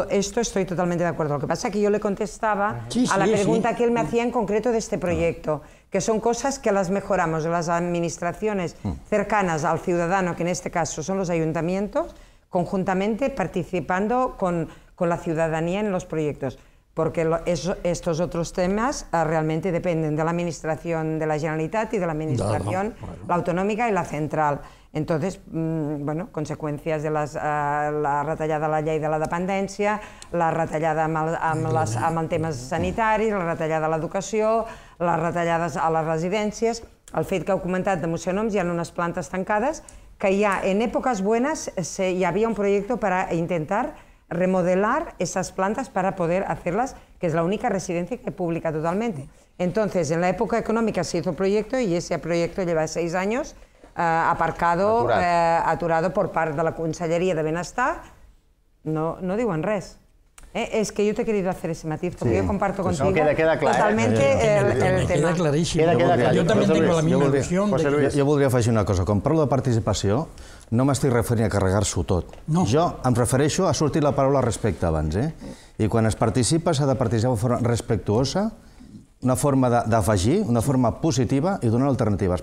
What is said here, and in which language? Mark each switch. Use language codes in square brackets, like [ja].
[es] Esto estoy totalmente de acuerdo. Lo que pasa es que yo le contestaba a la pregunta que él me hacía en concreto de este proyecto, que son cosas que las mejoramos las administraciones cercanas al ciudadano, que en este caso son los ayuntamientos, conjuntamente participando con la ciudadanía en los proyectos, porque estos otros temas realmente dependen de la administración de la Generalitat y de la administración la autonómica y la central. Entonces, bueno, consecuencias de [ca] la retallada de la llei de la dependència, la retallada amb els temes sanitaris, la retallada a l'educació, les retallades a les residències, el fet que heu comentat de Museonoms, hi ha unes plantes tancades, que ja en èpoques bones hi havia un projecte per intentar remodelar aquestes plantes per poder fer-les, que és l'única residència pública totalment. Entonces, en l'època econòmica s'hi ha fet el projecte i aquest projecte lleva 6 anys aturado per part de la Conselleria de Benestar. No diuen res. [es] Es que yo te he querido hacer ese matiz, porque yo comparto contigo totalmente el tema. [ca] Queda claríssim. Jo també tinc la misma opció. Jo voldria afegir una cosa. Quan parlo de participació, no m'estic referint a carregar-s'ho tot. Jo em refereixo a sortir la paraula respecte abans. I quan es participa, s'ha de participar de forma respectuosa, una forma d'afegir, una forma positiva i donar alternatives.